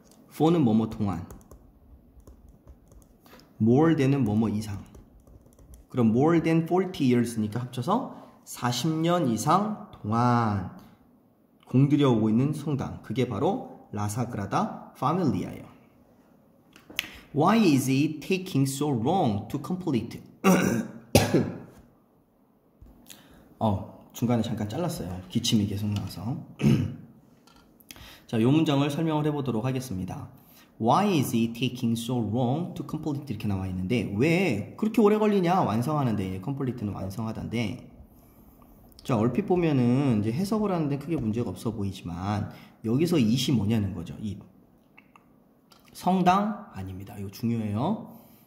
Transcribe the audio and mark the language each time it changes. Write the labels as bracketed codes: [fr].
[ko] for는 뭐뭐 동안, more than은 뭐뭐 이상. 그럼 more than 40 years니까 합쳐서 40년 이상 동안 공 들여오고 있는 성당, 그게 바로 라사그라다 파밀리아예요. [en] Why is it taking so long to complete? [ko] 중간에 잠깐 잘랐어요. 기침이 계속 나와서. 자, 요 문장을 설명을 해보도록 하겠습니다. [en] Why is it taking so long to complete? [ko] 이렇게 나와 있는데, 왜 그렇게 오래 걸리냐? 완성하는데, complete는 완성하다인데. 자, 얼핏 보면은 이제 해석을 하는데 크게 문제가 없어 보이지만, 여기서 is 뭐냐는 거죠. It. 성당? 아닙니다. 이거 중요해요.